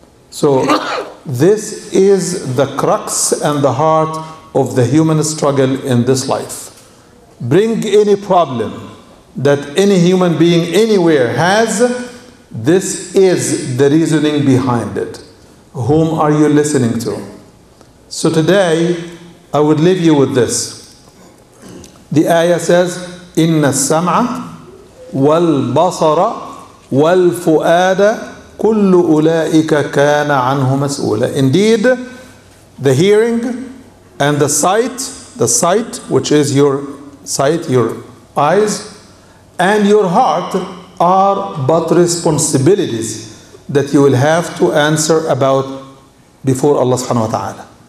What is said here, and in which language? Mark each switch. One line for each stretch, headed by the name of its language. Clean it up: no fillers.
English: So this is the crux and the heart of the human struggle in this life. Bring any problem that any human being anywhere has, this is the reasoning behind it. Whom are you listening to? So today, I would leave you with this. The ayah says,
Arabic: إِنَّ السَّمْعَ وَالْبَصَرَ وَالْفُؤَادَ كُلُّ أُولَٰئِكَ كَانَ عَنْهُ مَسْؤُولًا.
English: Indeed, the hearing and the sight which is your sight, your eyes, and your heart are but responsibilities that you will have to answer about before Allah subhanahu wa ta'ala.